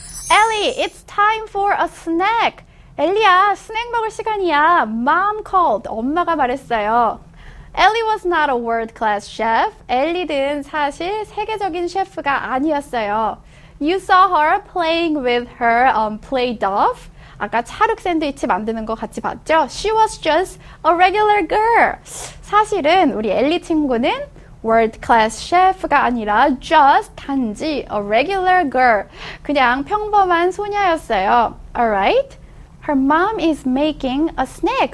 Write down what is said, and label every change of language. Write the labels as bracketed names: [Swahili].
[English] Ellie, it's time for a snack. [Korean] 엘리야, 스낵 먹을 시간이야. [English] Mom called, [Korean] 엄마가 말했어요. [English] Ellie was not a world-class chef. [Korean] 엘리는 사실 세계적인 셰프가 아니었어요. [English] You saw her playing with her play doh. [Korean] 아까 찰흙 샌드위치 만드는 거 같이 봤죠? [English] She was just a regular girl. [Korean] 사실은 우리 엘리 친구는 [English] world class chef가 아니라 just [Korean] 단지 [English] a regular girl. [Korean] 그냥 평범한 소녀였어요. [English] Alright. Her mom is making a snack.